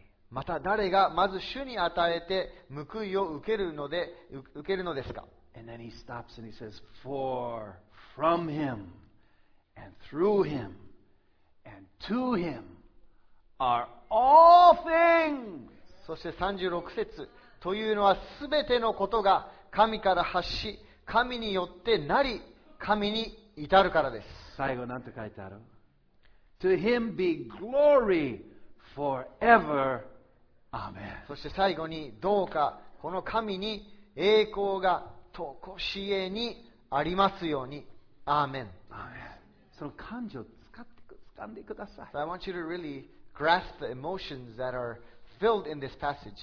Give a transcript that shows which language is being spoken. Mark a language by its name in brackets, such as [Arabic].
[Japanese] また誰がまず主に与えて報いを受けるのですか。 [English] And then he stops and he says, "For from him and through him and to him are all things." [Japanese] そして36節というのはすべてのことが神から発し、神によってなり。神に至るからです。最後何て書いてある [English] ?To him be glory forever. Amen. [Japanese] そして最後にどうかこの神に栄光がとこしえにありますように。 [English] Amen. Amen. [Japanese] その感情を掴んでください。 [English] So、I want you to really grasp the emotions that are filled in this passage.